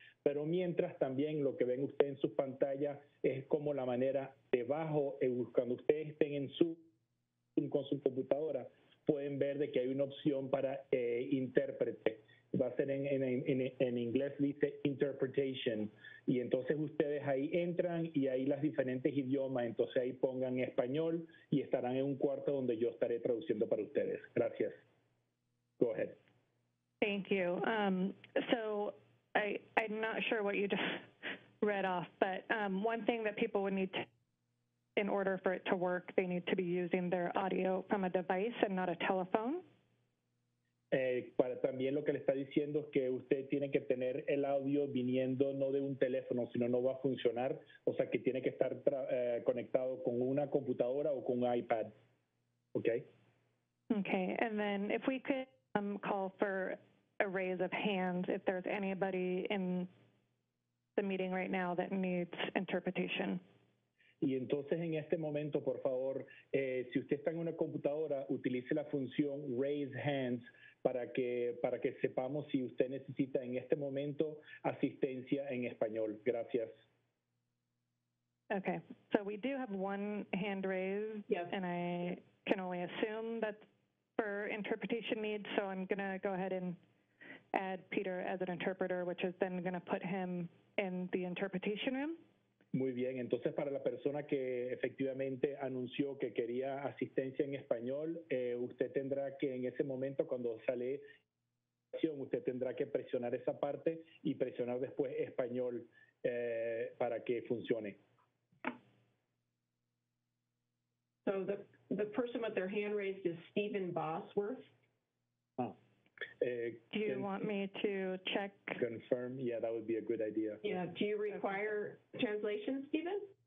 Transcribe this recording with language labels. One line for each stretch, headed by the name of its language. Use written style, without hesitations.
Spanish: Pero mientras también lo que ven ustedes en su pantalla es como la manera debajo, cuando ustedes estén en con su computadora, pueden ver de que hay una opción para intérprete. Va a ser en inglés, dice interpretation, y entonces ustedes ahí entran y ahí las diferentes idiomas, entonces ahí pongan español y estarán en un cuarto donde yo estaré traduciendo para ustedes. Gracias.
English: Go ahead. Thank you. So I'm not sure what you just read off, but one thing that people would need to, in order for it to work, they need to be using their audio from a device and not a telephone.
Spanish: Para también lo que le está diciendo es que usted tiene que tener el audio viniendo no de un teléfono, sino no va a funcionar, o sea que tiene que estar conectado con una computadora o con un iPad, okay?
English: Okay, and then if we could call for a raise of hands if there's anybody in the meeting right now that needs interpretation.
Spanish: Y entonces en este momento, por favor, si usted está en una computadora, utilice la función raise hands para que sepamos si usted necesita en este momento asistencia en español. Gracias.
English: Okay, so we do have one hand raised. Yes. And I can only assume that's for interpretation needs, so I'm going to go ahead and add Peter as an interpreter, which is then going to put him in the interpretation room.
Spanish: Muy bien, entonces para la persona que efectivamente anunció que quería asistencia en español, usted tendrá que en ese momento cuando sale acción, usted tendrá que presionar esa parte y presionar después español para que funcione.
English: So The person with their hand raised is Stephen Bosworth. Do you want me to check? Confirm. Yeah, that would be a good idea. Yeah. Do you require translation, Stephen?